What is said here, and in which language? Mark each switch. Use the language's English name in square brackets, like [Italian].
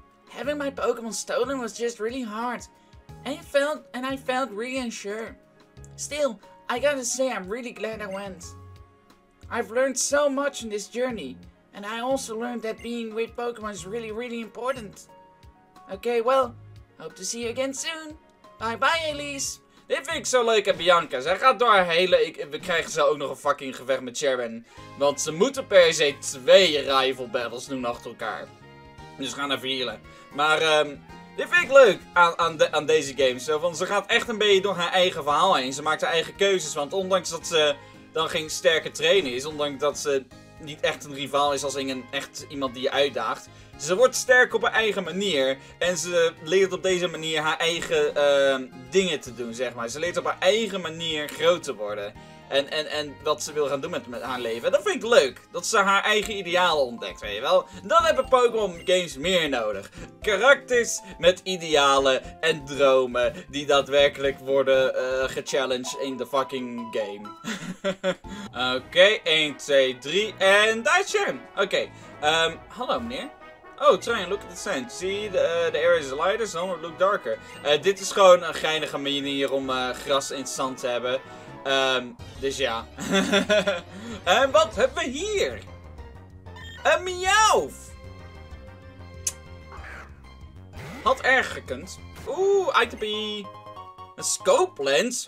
[English] Having my Pokemon stolen was just really hard, and I felt really unsure. Still, I gotta say I'm really glad I went. I've learned so much in this journey, and I also learned that being with Pokemon is really, really important. Okay, well, hope to see you again soon. Bye bye, Elise. [Dutch] Dit vind ik zo leuk aan Bianca. Zij gaat door haar hele... We krijgen zo ook nog een fucking gevecht met Sharon. Want ze moeten per se 2 rival battles doen achter elkaar. Dus gaan even healen. Maar dit vind ik leuk aan deze games. Want ze gaat echt een beetje door haar eigen verhaal heen. Ze maakt haar eigen keuzes. Want ondanks dat ze dan geen sterke trainer is. Ondanks dat ze niet echt een rivaal is als een echt iemand die je uitdaagt. Ze wordt sterk op haar eigen manier. En ze leert op deze manier haar eigen dingen te doen, zeg maar. Ze leert op haar eigen manier groot te worden. En wat ze wil gaan doen met haar leven. En dat vind ik leuk. Dat ze haar eigen idealen ontdekt, weet je wel. Dan hebben Pokémon games meer nodig. Karakters met idealen en dromen. Die daadwerkelijk worden gechallenged in de fucking game. Oké, 1, 2, 3. En daar is Sharon. Oké, hallo meneer. [English] Oh, try and look at the sand. See, the air is lighter, so it looks darker. [Dutch] Dit is gewoon een geinige manier om gras in het zand te hebben. Dus ja. En wat hebben we hier? Een Meowth! Had erg gekund. Oeh, ITP. Een scope lens?